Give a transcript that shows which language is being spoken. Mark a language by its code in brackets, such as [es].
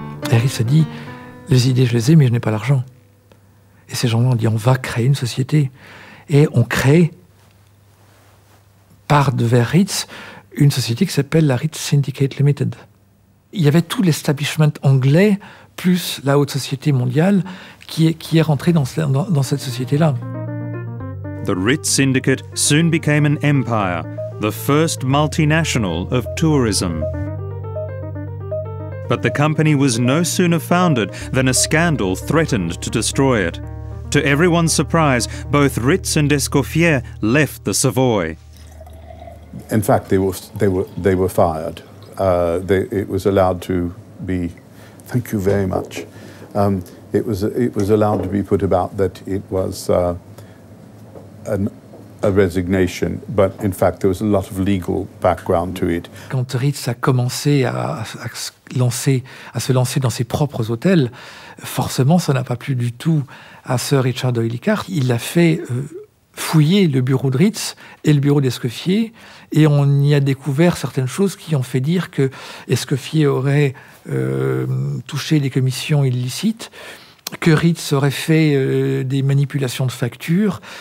[fr] Harris a dit, les idées, je les ai, mais je n'ai pas l'argent. Et ces gens-là ont dit, on va créer une société. Et on crée, par devers Ritz, une société qui s'appelle la Ritz Syndicate Limited. Il y avait tout l'establishment anglais, plus la haute société mondiale, qui est rentré dans cette société-là. [en] The Ritz Syndicate soon became an empire, the first multinational of tourism. But the company was no sooner founded than a scandal threatened to destroy it. To everyone's surprise, both Ritz and Escoffier left the Savoy. In fact, they were fired. It was allowed to be. Thank you very much. It was allowed to be put about that it was a resignation, but in fact there was a lot of legal background to it. [fr] Quand Ritz a commencé à se lancer dans ses propres hôtels, forcément ça n'a pas plu du tout à Sir Richard Oilicard. Il a fait fouiller le bureau de Ritz et le bureau d'Escoffier, et on y a découvert certaines choses qui ont fait dire que Escoffier aurait touché des commissions illicites, que Ritz aurait fait des manipulations de factures.